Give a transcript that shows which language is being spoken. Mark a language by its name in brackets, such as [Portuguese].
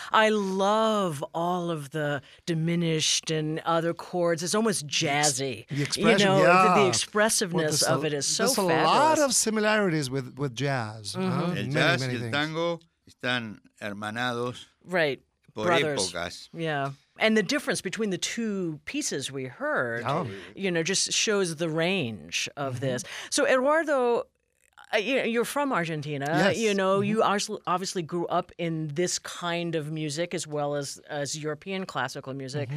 [English] I love all of the diminished and other chords. It's almost jazzy. The expression, you know, yeah. The expressiveness of it is so fabulous. There's a lot of similarities with jazz. Mm-hmm. Huh? [Spanish] El jazz y el tango están hermanados [English] right. [Spanish] por [English] Brothers. [Spanish] Épocas. [English] Yeah. And the difference between the two pieces we heard, oh. you know, just shows the range of mm-hmm. this. So Eduardo... You're from Argentina. Yes. You know, mm-hmm. you obviously grew up in this kind of music as well as European classical music.